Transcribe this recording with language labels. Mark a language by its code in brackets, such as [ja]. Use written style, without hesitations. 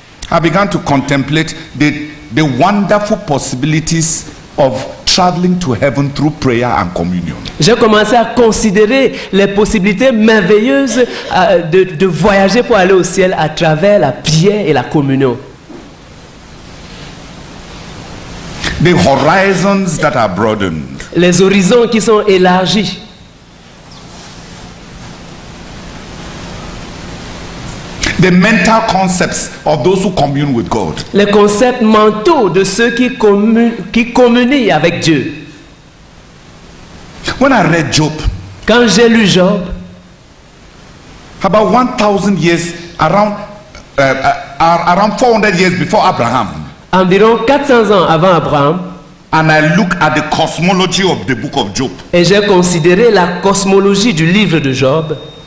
[en] I began to contemplate the wonderful possibilities of traveling to heaven through prayer and communion. [fr] J'ai commencé à considérer les possibilités merveilleuses de voyager pour aller au ciel à travers la prière et la communion. [en] The horizons that are broadened. [fr] Les horizons qui sont élargis. [en] The mental concepts of those who commune with God. [fr] Les concepts mentaux de ceux qui communient avec Dieu. [en] When I read Job, [fr] quand j'ai lu Job, [en] about 1,000 years around 400 years before Abraham, [fr] environ 400 ans avant Abraham, [en] and I look at the cosmology of the book of Job, [fr] et j'ai considéré la cosmologie du livre de Job.